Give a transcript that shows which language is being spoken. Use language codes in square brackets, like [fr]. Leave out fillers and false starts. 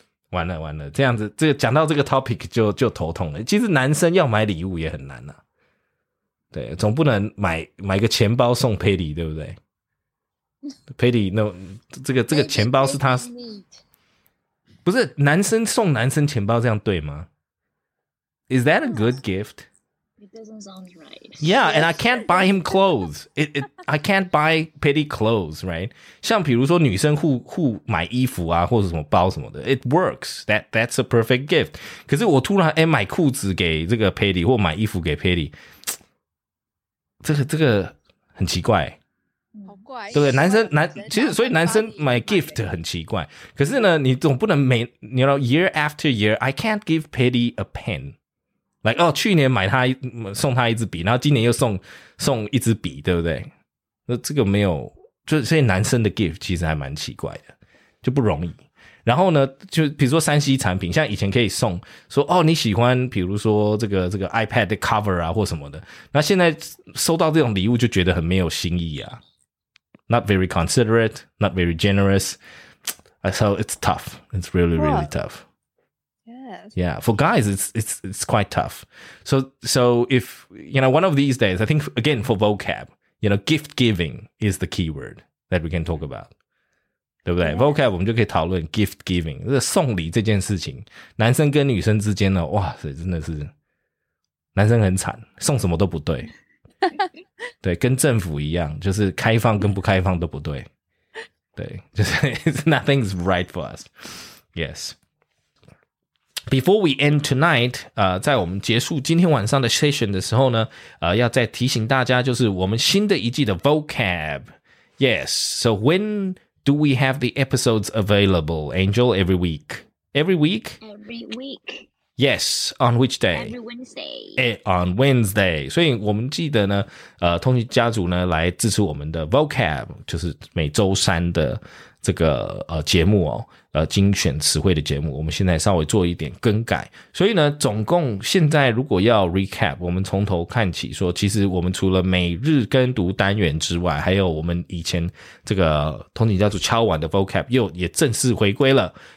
[zh] 完了完了，这样子这讲到这个 topic 就头痛了。其实男生要买礼物也很难啊，对，总不能买个钱包送 Patty 对不对？ Patty 那这个钱包是他，不是男生送男生钱包，这样对吗？ [en] Is that a good gift? It doesn't sound right. Yeah, and I can't buy him clothes. I can't buy Patty clothes, right? [zh] 像比如说女生互买衣服啊，或者什么包什么的， [en] It works. That's a perfect gift. [zh] 可是我突然买裤子给这个 Patty 或买衣服给 Patty，这个很奇怪，好怪，对不对？所以男生买 gift 很奇怪。可是呢，你总不能每，你知道 [en] year after year I can't give Patty a pen， [zh] like 哦，去年买他送他一支笔，然后今年又送一支笔，对不对？那这个没有，就所以男生的 gift 其实还蛮奇怪的，就不容易。然后呢，就比如说3C产品，像以前可以送说哦你喜欢比如说这个 iPad 的 cover 啊或什么的，那现在收到这种礼物就觉得很没有心意啊， [en] not very considerate, not very generous, so it's tough, it's really really tough. Yeah, for guys it's quite tough. So if you know, one of these days I think again for vocab, you know, gift giving is the key word that we can talk about. [zh] 对不对 ？Vocab 我们就可以讨论 gift giving， 这个送礼这件事情，男生跟女生之间呢，哇塞，真的是男生很惨，送什么都不对，对，跟政府一样，就是开放跟不开放都不对，对，就是 [en] nothing is right for us. [zh] Yes. [en] Before we end tonight， [zh] 在我们结束今天晚上的 session 的时候呢，要再提醒大家，就是我们新的一季的 Vocab。 [en] Yes. So when do we have the episodes available, Angel, every week? Every week? Every week. Yes, on which day? Every Wednesday. On Wednesday. [zh] 所以我们记得呢，通勤家族呢来支持我们的 Vocab， 就是每周三的这个节目哦，精选词汇的节目，我们现在稍微做一点更改。所以呢，总共现在如果要 recap， 我们从头看起说，其实我们除了每日跟读单元之外，还有我们以前这个通勤家族敲碗的 vocab 又也正式回归了。